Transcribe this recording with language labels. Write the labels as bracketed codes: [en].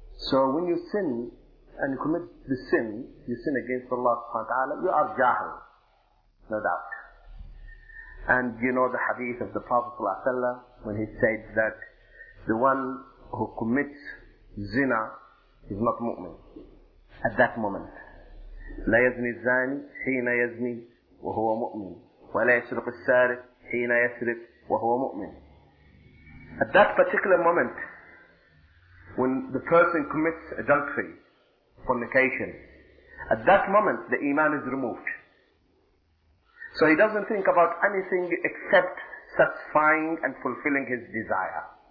[en] So when you sin and you commit the sin, you sin against Allah subhanahu wa ta'ala, you are jahil, no doubt. And you know the hadith of the Prophet ﷺ when he said that the one who commits zina is not mu'min at that moment. [ar] لا يزني الزاني حين يزني وهو مؤمن ولا يسرق السارق حين يسرق وهو مؤمن. [en] At that particular moment, when the person commits adultery, fornication, at that moment the iman is removed. So he doesn't think about anything except satisfying and fulfilling his desire.